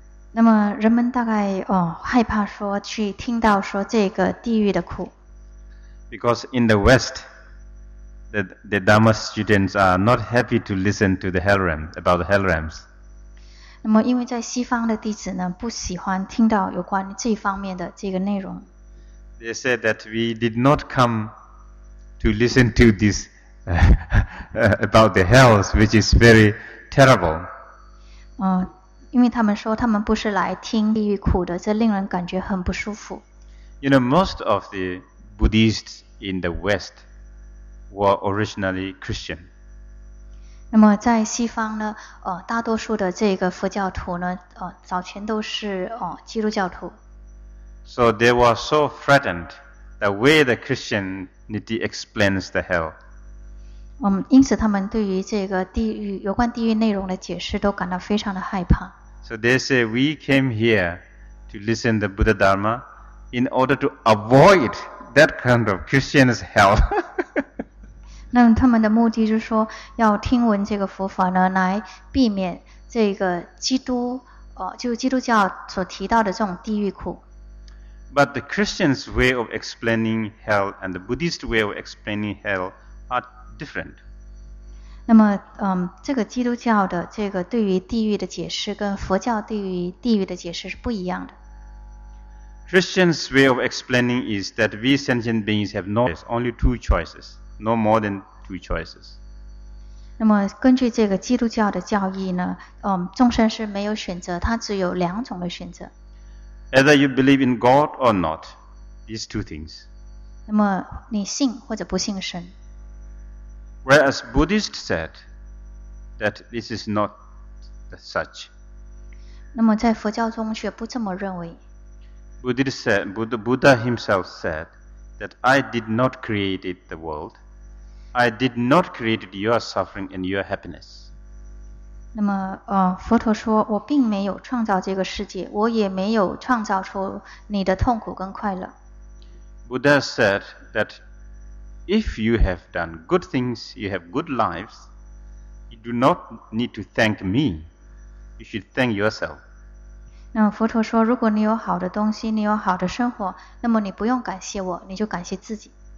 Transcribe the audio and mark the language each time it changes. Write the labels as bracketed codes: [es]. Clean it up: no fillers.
[zh] 那么人们大概害怕说去听到说这个地狱的苦。 [en] Because in the West, the Dharma students are not happy to listen to the hell realm about the hell realms. [zh] 那么因为在西方的弟子呢不喜欢听到有关这方面的这个内容。 [en] They said that we did not come to listen to this about the hells, which is very terrible. [zh] 因为他们说他们不是来听地狱苦的，这令人感觉很不舒服。 [en] You know, most of the Buddhists in the West were originally Christian. [zh] 那么在西方呢大多数的这个佛教徒呢早前都是基督教徒。 [en] So they were so threatened the way the Christianity explains the hell. [zh] 因此他们对于这个地狱有关地狱内容的解释都感到非常的害怕。 [en] So they say we came here to listen the Buddha Dharma in order to avoid that kind of Christian's hell. [zh] 那他们的目的就是说要听闻这个佛法呢来避免这个基督就是基督教所提到的这种地狱苦。 [en] But the Christian's way of explaining hell and the Buddhist way of explaining hell are different. [zh] 那么这个基督教的这个对于地狱的解释跟佛教对于地狱的解释是不一样的。 [en] Christian's way of explaining is that we sentient beings have no choice, only two choices. No more than two choices. [zh] 那么根据这个基督教的教义呢，众生是没有选择，它只有两种的选择。 [en] Either you believe in God or not, these two things. [zh] 那么你信或者不信神。 [en] Whereas Buddhists said that this is not such. [zh] 那么在佛教中却不这么认为。 [en] Buddha himself said. That I did not create the world. I did not create your suffering and your happiness. [zh] 那么佛陀说我并没有创造这个世界，我也没有创造出你的痛苦跟快乐。 [en] Buddha said that if you have done good things, you have good lives, you do not need to thank me. You should thank yourself. [zh] 那佛陀说，如果你有好的东西，你有好的生活，那么你不用感谢我，你就感谢自己。